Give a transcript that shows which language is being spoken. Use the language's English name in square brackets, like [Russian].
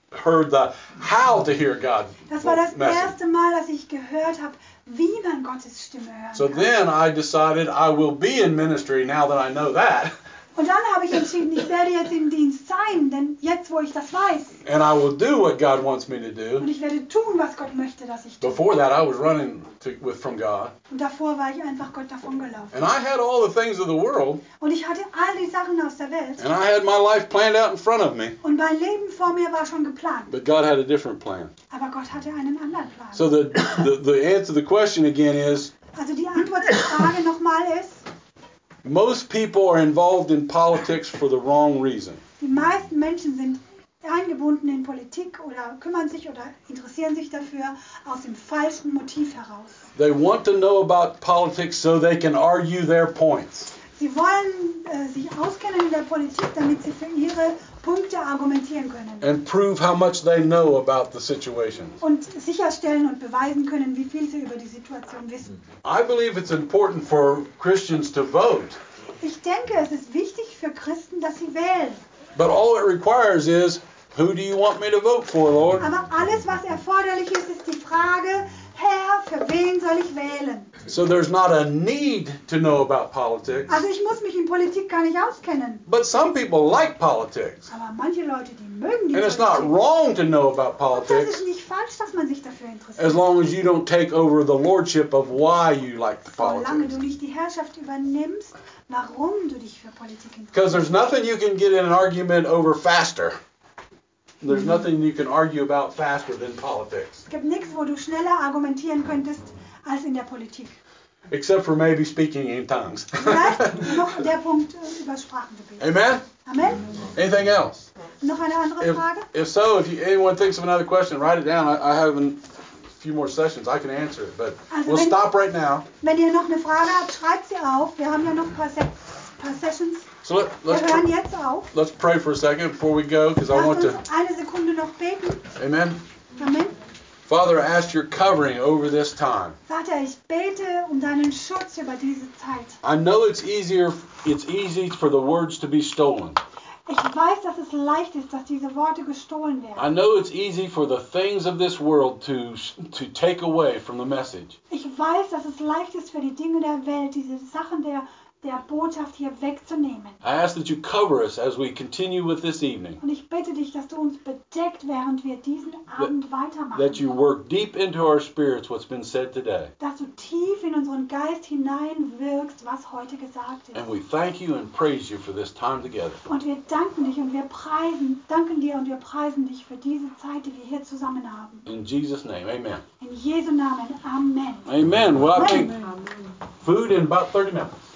[English] Heard the how to hear God. [German] Das war das erste Mal, dass ich gehört habe, wie man Gottes Stimme hören kann. [English] So then I decided I will be in ministry now that I know that. [German] Und dann habe ich entschieden, ich werde jetzt im Dienst sein, denn jetzt, wo ich das weiß. [English] And I will do what God wants me to do. [German] Und ich werde tun, was Gott möchte, dass ich tue. [English] Before that, I was running from God. [German] Und davor war ich einfach Gott davongelaufen. [English] And I had all the things of the world. [German] Und ich hatte all die Sachen aus der Welt. [English] And I had my life planned out in front of me. [German] Und mein Leben vor mir war schon geplant. [English] But God had a different plan. [German] Aber Gott hatte einen anderen Plan. [English] So the answer to the question again is. [German] Also die Antwort zur Frage nochmal ist. [English] Most people are involved in politics for the wrong reason. [German] Die meisten Menschen sind eingebunden in Politik oder kümmern sich oder interessieren sich dafür aus dem falschen Motiv heraus. [English] They want to know about politics so they can argue their points. [German] Sie wollen sich auskennen in der Politik, damit sie für ihre Punkte argumentieren können. [English] And prove how much they know about the situation. [German] Und sicherstellen und beweisen können, wie viel sie über die Situation wissen. [English] I believe it's important for Christians to vote. [German] Ich denke, es ist wichtig für Christen, dass sie wählen. [English] But all it requires is, who do you want me to vote for, Lord? [German] Aber alles, was erforderlich ist, ist die Frage, Herr, für wen soll ich wählen? [English] So there's not a need to know about politics. [German] Also ich muss mich in Politik gar nicht auskennen. [English] But some people like politics. [German] Aber manche Leute, die mögen die [English] And [German] Politik. [English] It's not wrong to know about politics. [German] Das ist nicht falsch, dass man sich dafür interessiert. [English] As long as you don't take over the lordship of why you like the politics. [German] Solange du nicht die Herrschaft übernimmst, warum du dich für Politik interessierst. [English] Because there's nothing you can get in an argument over faster. There's nothing you can argue about faster than politics. [German] Es gibt nichts, wo du schneller argumentieren könntest als in der Politik. [English] Except for maybe speaking in tongues. [German] Noch der Punkt über Sprachen gebeten. [English] Amen. [German] Amen. [English] Anything else? [German] Noch eine andere Frage? [English] If anyone thinks of another question, write it down. I have a few more sessions. I can answer it, but also we'll stop right now. [German] Wenn ihr noch eine Frage habt, schreibt sie auf. Wir haben ja noch ein paar Sessions. [English] So let's pray for a second before we go, because I want to. [German] Eine Sekunde noch beten. [English] Amen. [German] Amen. [English] Father, I ask your covering over this time. [German] Vater, ich bete um deinen Schutz über diese Zeit. [English] I know it's easy for the words to be stolen. [German] Ich weiß, dass es leicht ist, dass diese Worte gestohlen werden. [English] I know it's easy for the things of this world to take away from the message. [German] Ich weiß, dass es leicht ist für die Dinge der Welt, diese Sachen der Botschaft hier wegzunehmen. [English] I ask that you cover us as we continue with this evening. [German] Und ich bitte dich, dass du uns bedeckt, während wir diesen Abend weitermachen. [English] That you work deep into our spirits what's been said today. [German] Dass du tief in unseren Geist hineinwirkst, was heute gesagt ist. [English] And we thank you and praise you for this time together. [German] Und wir danken dich und wir danken dir und wir preisen dich für diese Zeit, die wir hier zusammen haben. [English] In Jesus name, amen. [German] In Jesu Namen, amen. [English] Amen. Well, I think food in about 30 minutes.